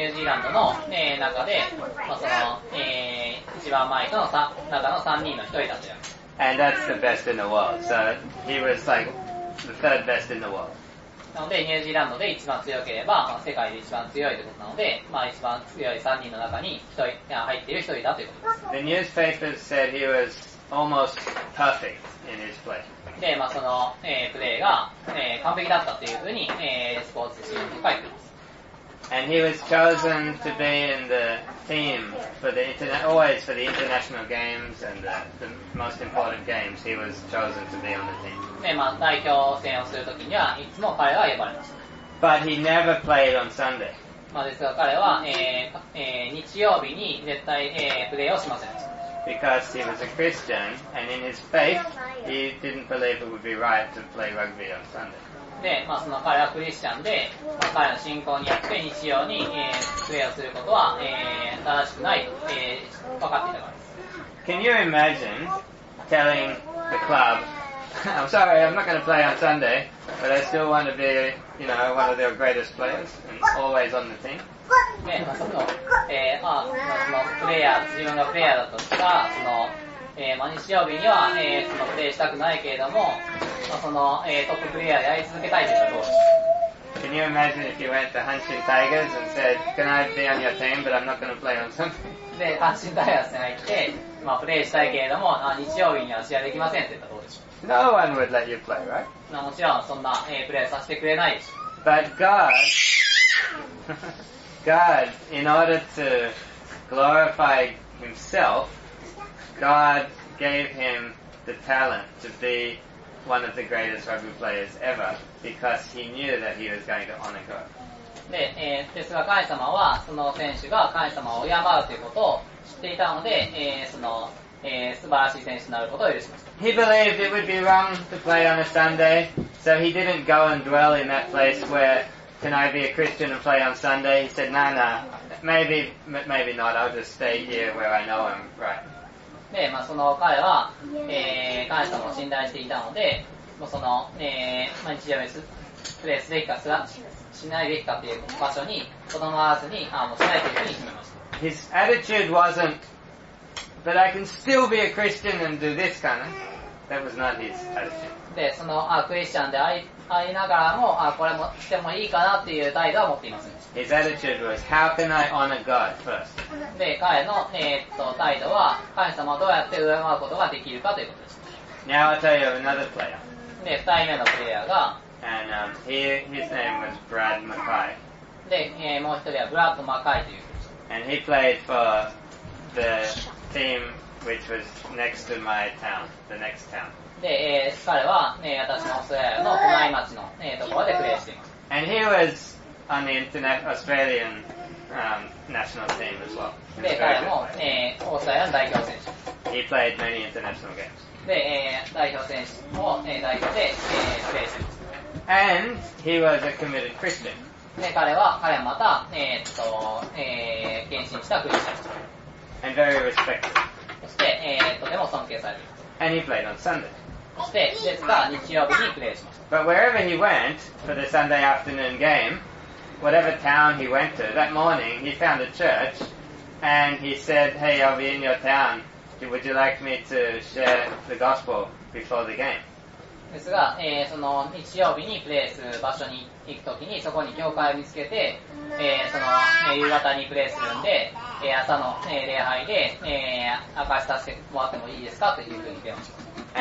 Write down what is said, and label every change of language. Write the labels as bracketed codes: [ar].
[ja] ュージーランドの、中で、まあ、その、一番前との中の3人の1人だという。 [en] And that's the best in the world. So, he was like, the third best in the world. [ja] なので、ニュージーランドで一番強ければ、まあ、世界で一番強いということなので、まあ、一番強い3人の中に1人、入っている1人だということです。 [en] The newspapers said he was almost perfect. In his play. [ja] で、まあ、その、プレーが、完璧だったというふうに、スポーツ紙に書いてます。 [en] And he was chosen to be in the team for the always for the international games and the most important games. He was chosen to be on the team. [ja] で、まあ、代表戦をするときには、いつも彼は呼ばれました。 [en] But he never played on Sunday. [ja] まあ、ですが彼は、日曜日に絶対、プレイをしません。 [en] Because he was a Christian and in his faith he didn't believe it would be right to play rugby on Sunday. [ja] で、まあ、その彼はクリスチャンで、まあ、彼の信仰によって日曜に、プレイをすることは、正しくないと、分かっていたからです。 [en] Can you imagine telling the club, I'm sorry, I'm not going to play on Sunday, but I still want to be, you know, one of their greatest players and always on the team? [ja] ね、まあ、その、まあ、そのプレイヤー、自分がプレイヤーだとしたら、その、まあ、日曜日には、そのプレイしたくないけれども、まあ、その、トッププレイヤーであり続けたいということです。 [en] Can you imagine if you went to 阪神タイガース and said, Can I be on your team, but I'm not going to play on Sunday? [ja] で、阪神タイガースに入って、まあ、プレイしたいけれども、あ、日曜日には試合できませんって言ったらどうでしょう。 [en] No one would let you play, right? [ja] まあ、もちろん、そんな、プレイさせてくれないでしょ。 [en] But God... God, in order to glorify himself, God gave him the talent to be one of the greatest rugby players ever because he knew that he was going to honor God. [ja] で、ですが神様はその選手が神様を敬うということを知っていたので、その、素晴らしい選手になることを許しました。 [en] He believed it would be wrong to play on a Sunday, so he didn't go and dwell in that place where Can I be a Christian and play on Sunday? He said, nah, nah, maybe not. I'll just stay here where I know I'm right. [ja] で、まあ、その彼は、神様を信頼していたので、もうその、日曜日にプレイすべきか、しないべきかという場所に、とどまらずに、しないというふうに決めました。 [en] His attitude wasn't, but I can still be a Christian and do this kind of. That was not his attitude. [ja] で、その、クリスチャンでありながらも、あ、これもしてもいいかなっていう態度は持っていません。 [en] His attitude was, how can I honor God first? [ja] で、彼の、態度は、神様をどうやって敬うことができるかということです。 [en] Now I'll tell you another player. [ja] で、二人目のプレイヤーが、 [en] And, his name was Brad Mackay. [ja] で、もう一人はブラッド・マカイという。 [en] And he played for the team which was next to my town, the next town. [ja] で、彼は、私のオーストラリアの隣町の、ところでプレーしています。 [en] And he was on the internet Australian, national team as well. [ja] で、彼も、オーストラリアの代表選手。 [en] He played many international games. [ja] で、代表選手も、代表で、プレーしています。 [en] And he was a committed Christian. [ja] で、彼はまた、献身したクリスチャン。 [en] And very respected. [ja] そして、とても尊敬されています。 [en] And he played on Sunday. [ja] そして、ですが、日曜日にプレイしました。 [en] But wherever he went for the Sunday afternoon game, whatever town he went to, that morning he found a church and he said, Hey, I'll be in your town. Would you like me to share the gospel before the game? [ja] ですが、その日曜日にプレイする場所に行くときに、そこに教会を見つけて、その、夕方にプレイするんで、朝の、礼拝で、明かしさせてもらってもいいですかというふうに言ってました。